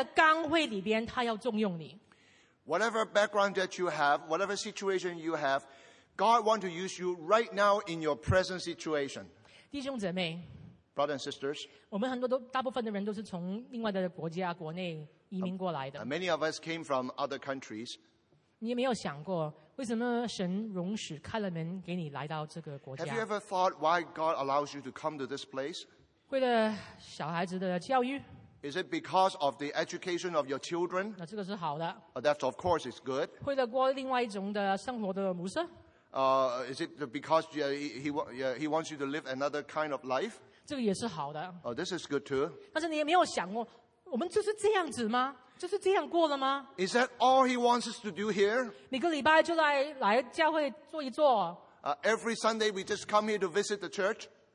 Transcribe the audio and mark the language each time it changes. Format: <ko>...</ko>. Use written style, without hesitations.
<zh>不单只是做一个牧师，不是这样子。你今天的蒙召是因为神要按照你的过去的经验，他要用你的经验，他要用你的背景，就在你现在的岗位里边，他要重用你。</zh> <en>Whatever background that you have, whatever situation you have, God wants to use you right now in your present situation.</en> <zh>弟兄姐妹，</zh> <en>brothers and sisters,</en> <zh>我们很多都大部分的人都是从另外的国家国内。</zh> <en>Many of us came from other countries.</en> <zh>你有没有想过, 为什么神容许开了门给你来到这个国家?</zh> <en>Have you ever thought why God allows you to come to this place?</en> <zh>为了小孩子的教育?</zh> <en>Is it because of the education of your children?</en> <zh>那这个是好的。</zh> <en>That's of course it's good.</en> <zh>为了过另外一种的生活的模式?</zh> <en>Is it because he wants you to live another kind of life?</en> <zh>这个也是好的。</zh> <en>This is good too.</en> <zh>但是你也没有想过, 我们就是这样子吗? 就是这样过了吗?</zh> <en>Is that all he wants us to do here?</en> <zh>每个礼拜就来教会坐一坐。</zh> <en>Every Sunday we just come here to visit the church.</en>